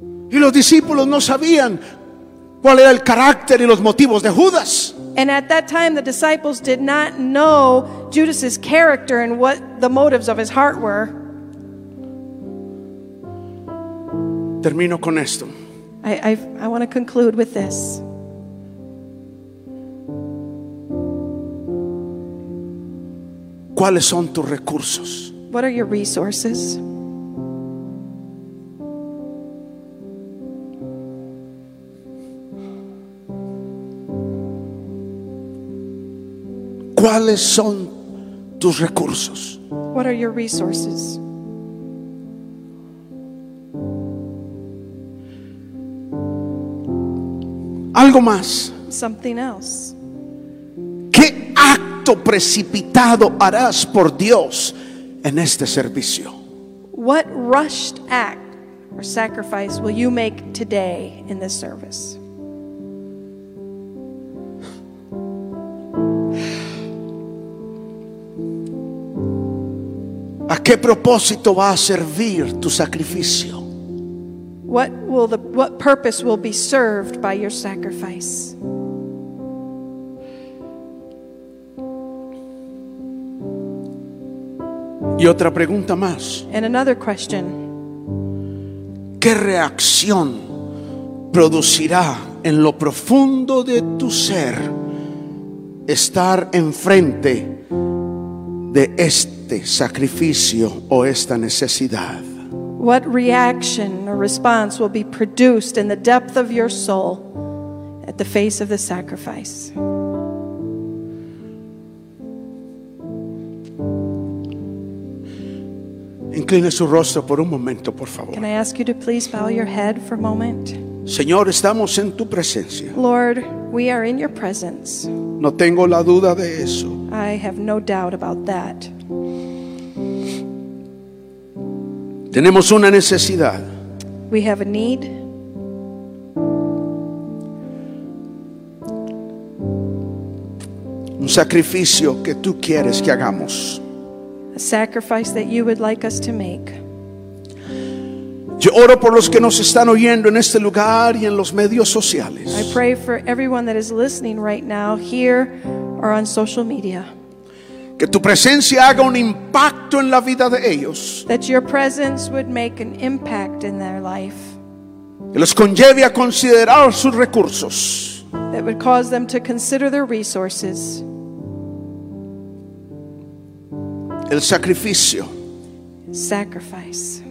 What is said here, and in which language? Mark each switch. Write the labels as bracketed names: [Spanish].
[Spanish] Y los discípulos no sabían cuál era el carácter y los motivos de Judas. [English] And at that time the disciples did not know Judas's character and what the motives of his heart were. [Spanish] Termino con esto. [English] I want to conclude with this. [Spanish] ¿Cuáles son tus recursos? [English] What are your resources? [Spanish] ¿Cuáles son tus recursos? [English] What are your resources? [Spanish] Algo más. [English] Something else. [Spanish] ¿Qué acto precipitado harás por Dios en este servicio? [English] What rushed act or sacrifice will you make today in this service? [Spanish] ¿A qué propósito va a servir tu sacrificio? [English] What purpose will be served by your sacrifice? [Spanish] Y otra pregunta más. [English] And another question. [Spanish] ¿Qué reacción producirá en lo profundo de tu ser estar enfrente de este sacrificio o esta necesidad? [English] What reaction or response will be produced in the depth of your soul at the face of the sacrifice? [Spanish] Incline su rostro por un momento, por favor. [English] Can I ask you to please bow your head for a moment? [Spanish] Señor, estamos en tu presencia. [English] Lord, we are in your presence. [Spanish] No tengo la duda de eso. [English] I have no doubt about that. [Spanish] Tenemos una necesidad. [English] We have a need. [Spanish] Un sacrificio que tú quieres que hagamos. [English] A sacrifice that you would like us to make. [Spanish] Yo oro por los que nos están oyendo en este lugar y en los medios sociales. [English] I pray for everyone that is listening right now here or on social media. [Spanish] Que tu presencia haga un impacto en la vida de ellos. [English] That your presence would make an impact in their life. [Spanish] Que los conlleve a considerar sus recursos. [English] That would cause them to consider their resources. [Spanish] El sacrificio. [English] Sacrifice.